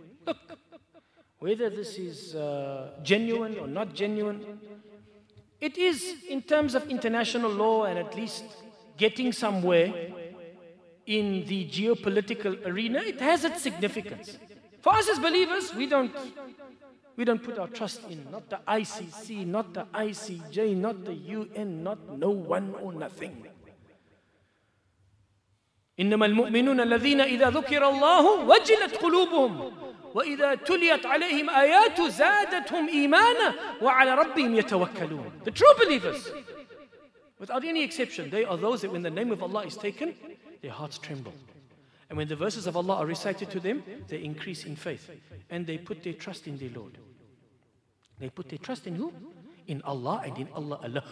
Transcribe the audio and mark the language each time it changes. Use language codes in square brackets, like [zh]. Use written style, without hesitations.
[en] Look, whether this is genuine or not genuine, it is in terms of international law and at least getting somewhere in the geopolitical arena, it has its significance. For us as believers, we don't put our trust in not the ICC, not the ICJ, not the UN, not no one or nothing. [ar] إنما المؤمنون الذين إذا ذكر الله وجلت قلوبهم وإذا تليت عليهم آيات زادتهم إيمانا وعلى ربهم يتوكلون. [en] The true believers, without any exception, they are those that when the name of Allah is taken, their hearts tremble. And when the verses of Allah are recited to them, they increase in faith. And they put their trust in their Lord. They put their trust in who? In Allah and in Allah alone.